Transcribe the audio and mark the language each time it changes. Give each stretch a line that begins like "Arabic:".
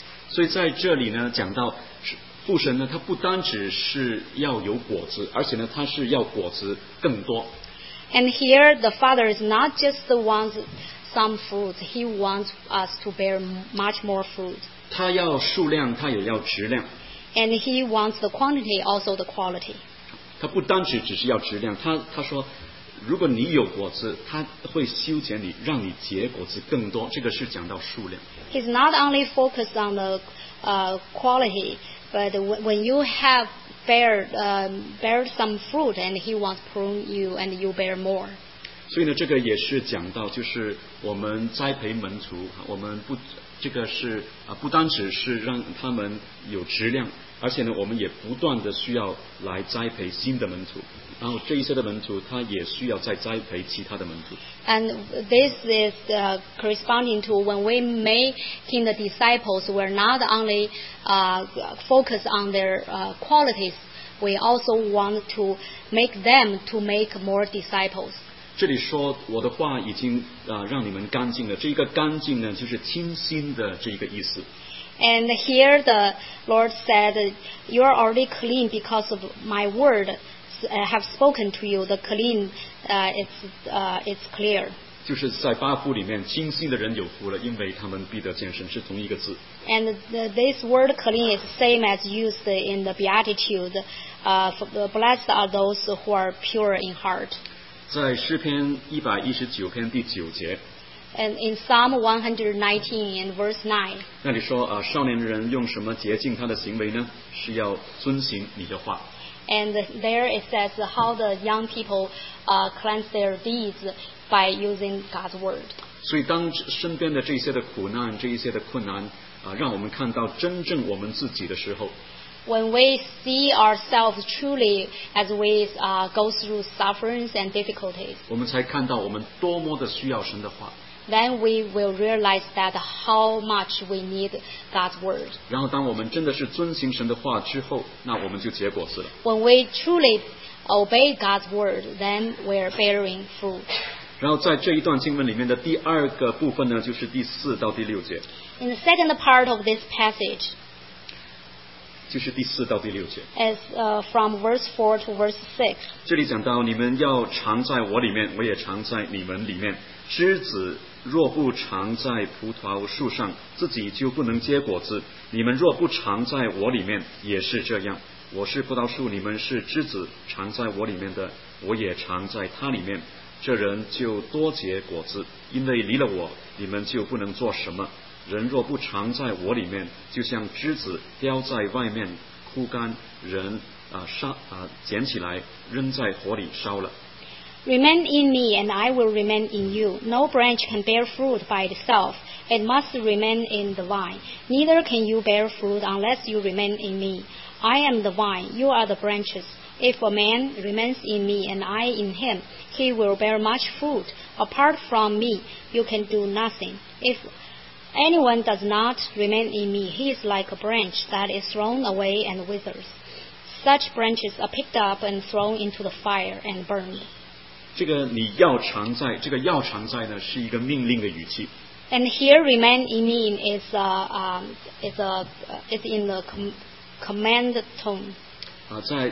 Chinese: 所以在这里呢，讲到父神呢，他不单只是要有果子，而且呢，他是要果子更多。
English: And here the Father is not just the one some fruit. He wants us to bear much more fruit.
Chinese: 他要数量，他也要质量。
English: And he wants the quantity, also the quality.
Chinese: 他不单只是要质量，他说，如果你有果子，他会修剪你，让你结果子更多。这个是讲到数量。
English: He's not only focused on the quality, but when you have bear some fruit, and he wants prune you, and you bear more.
Chinese: 所以呢，这个也是讲到，就是我们栽培门徒，我们不。这个是不单只是让他们有质量，而且呢，我们也不断的需要来栽培新的门徒，然后这一些的门徒他也需要再栽培其他的门徒。
English: And this is corresponding to when we make the disciples, we're not only focused on their qualities, we also want to make them to make more disciples.
Chinese: 这里说我的话已经让你们干净了，这一个干净呢就是清新的这一个意思。
English: And here the Lord said you are already clean because of my word I have spoken to you. The clean it's clear.
Chinese: 就是在八福里面清新的人有福了，因为他们必得见神，是同一个字。
English: And this word clean is same as used in the Beatitude blessed are those who are pure in heart.
Chinese: 在诗篇一百一十九篇第九节
English: ，And in Psalm 119 in verse 9，
Chinese: 那里说啊，少年人用什么洁净他的行为呢？是要遵行你的话。
English: And there it says how the young people cleanse their deeds by using God's word.
Chinese: 所以当身边的这些的苦难、这一些的困难啊，让我们看到真正我们自己的时候。
English: When we see ourselves truly as we go through sufferings and difficulties,
Chinese: 我们才看到我们多么的需要神的话。
English: Then we will realize that how much we need God's word.
Chinese: 然后当我们真的是遵行神的话之后，那我们就结果子了。
English: When we truly obey God's word, then we are bearing fruit.
Chinese: 然后在这一段经文里面的第二个部分呢，就是第四到第六节。
English: In the second part of this passage,
Chinese: 就是第四到第六节。
English: As from verse 4 to verse 6.
Chinese: 这里讲到你们要常在我里面，我也常在你们里面。枝子若不常在葡萄树上，自己就不能结果子。你们若不常在我里面，也是这样。我是葡萄树，你们是枝子，常在我里面的，我也常在他里面。这人就多结果子，因为离了我，你们就不能做什么。人若不常在我里面，就像枝子丢在外面枯干，人捡起来扔在火里烧了。
English: Remain in me, and I will remain in you. No branch can bear fruit by itself; it must remain in the vine. Neither can you bear fruit unless you remain in me. I am the vine; you are the branches. If a man remains in me, and I in him, he will bear much fruit. Apart from me, you can do nothing. If anyone does not remain in me, he is like a branch that is thrown away and withers. Such branches are picked up and thrown into the fire and burned.
Chinese: 这个你要常在，这个要常在呢，是一个命令的语气。
English: And here, remain in me is it's in the command tone.